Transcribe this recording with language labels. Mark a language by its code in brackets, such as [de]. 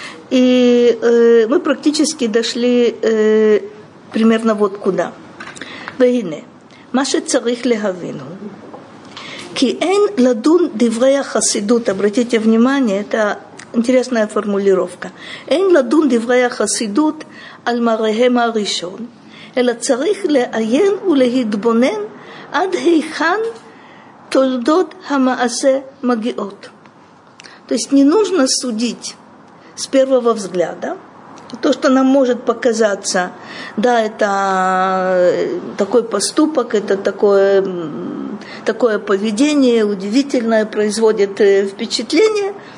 [ru] И мы практически дошли примерно вот куда. Вейне. [he] Маше царих легавину. Ки эйн ладун диврея хасидут. [ru] Обратите внимание, это интересная формулировка. [he] Эйн ладун диврея хасидут. על מראיהם הראשון, אלא צריך לעיין ולהתבונן עד היכן תולדות המעשה מגיעות. [ru] То есть не нужно судить с первого взгляда. То, что нам может показаться, да, это такой поступок, это такое поведение удивительное, производит впечатление.